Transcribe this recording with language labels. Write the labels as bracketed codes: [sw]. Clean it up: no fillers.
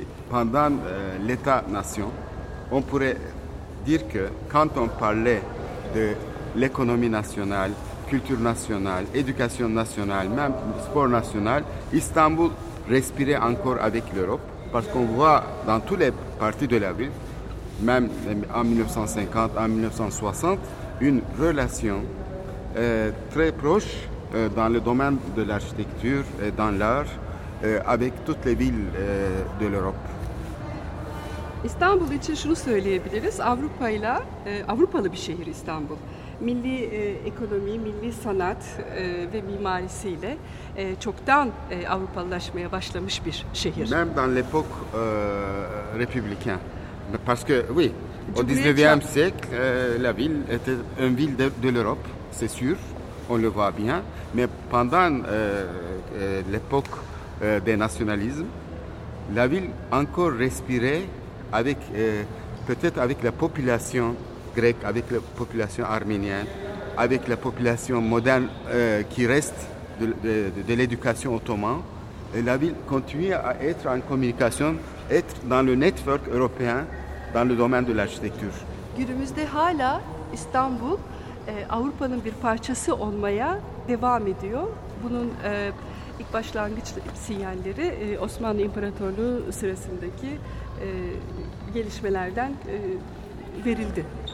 [fr] Pendant l'État-nation, on pourrait dire que quand on parlait de l'économie nationale, culture nationale, éducation nationale, même sport national, Istanbul respirait encore avec l'Europe, parce qu'on voit dans toutes les parties de la ville, même en 1950, en 1960, une relation très proche dans le domaine de l'architecture et dans l'art, avec toutes les villes de l'Europe. [tr] İstanbul için şunu söyleyebiliriz. Avrupa'yla Avrupalı bir şehir İstanbul. Milli ekonomi, milli sanat ve mimarisiyle çoktan Avrupalılaşmaya başlamış bir şehir. [fr] Même dans l'époque républicaine. Parce que oui, au 19e siècle, la ville était une ville de l'Europe, c'est sûr. On le voit bien, mais pendant l'époque des nationalismes, la ville encore respirait avec peut-être avec la population grecque, avec la population arménienne, avec la population moderne qui reste de l'éducation ottomane. Et la ville continue à être en communication, être dans le network européen dans le domaine de l'architecture. [tr] günümüzde hala İstanbul Avrupa'nın bir parçası olmaya devam ediyor. Bunun ilk başlangıç sinyalleri Osmanlı İmparatorluğu sırasındaki gelişmelerden verildi.